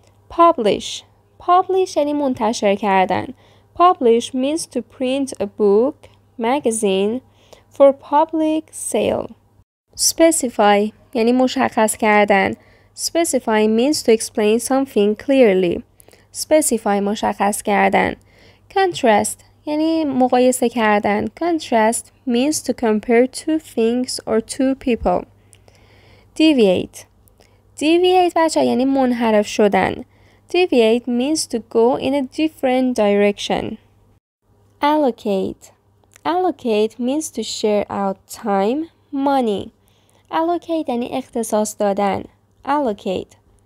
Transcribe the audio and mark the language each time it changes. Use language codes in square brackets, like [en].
[en] Publish [fa] یعنی منتشر کردن. [en] Publish means to print a book, magazine, for public sale. Specify [fa] یعنی مشخص کردن. [en] Specify means to explain something clearly. [fa] Specify مشخص کردن. Contrast یعنی مقایسه کردن. [en] Contrast means to compare two things or two people. [fa] Deviate بچه یعنی منحرف شدن. [en] Deviate means to go in a different direction. Allocate means to share out time, money. [fa] Allocate یعنی اختصاص دادن. Allocate.